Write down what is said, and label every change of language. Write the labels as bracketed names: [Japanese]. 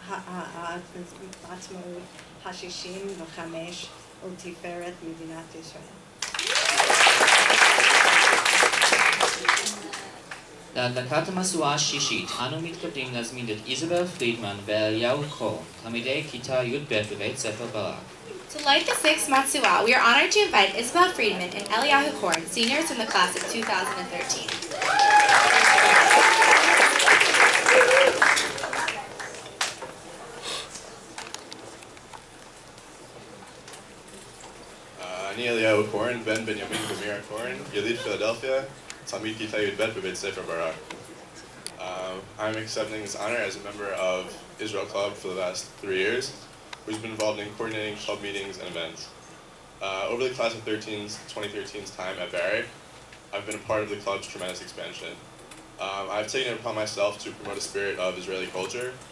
[Hebrew] העצמאות השישים וחמש ולתפארת מדינת ישראל. להדלקת המשואה השישית, אנו מתכבדים להזמין את איזבל פרידמן ואליהו קול, תלמידי כיתה י"ב בבית ספר ברק. [English] To light the sixth Matsua, we are honored to invite Isabel Friedman and Eliyahu Korn, seniors in the class of 2013. [Hebrew] אני אליהו קורן, בן בנימין ומירה קורן, יליד פילדלפיה, תלמיד כיתה י"ב בבית ספר ברק. [English] I'm accepting this honor as a member of Israel Club for the last 3 years. Who's been involved in coordinating club meetings and events. Over the class of 2013's time at Barrack, I've been a part of the club's tremendous expansion. I've taken it upon myself to promote a spirit of Israeli culture